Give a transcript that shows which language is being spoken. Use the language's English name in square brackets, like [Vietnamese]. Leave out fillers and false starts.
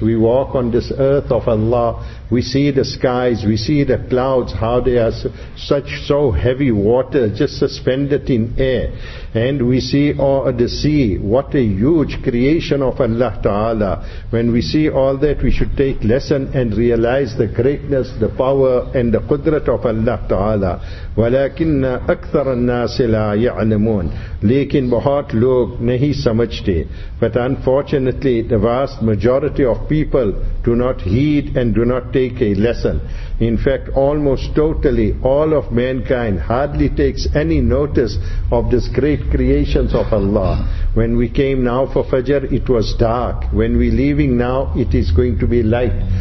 [English] We walk on this earth of Allah, we see the skies, we see the clouds, how they are such so heavy water just suspended in air. And we see all the sea, what a huge creation of Allah Ta'ala. When we see all that, we should take lesson and realize the greatness, the power and the qudrat of Allah Ta'ala. [Arabic] ولكن اكثر الناس لا يعلمون. [Urdu] لیکن بہت لوگ نہیں سمجھتے. [English] But unfortunately, the vast majority of people do not heed and do not take a lesson. In fact, almost totally, all of mankind hardly takes any notice of this great creations of Allah. When we came now for Fajr, it was dark. When we leaving now, it is going to be light.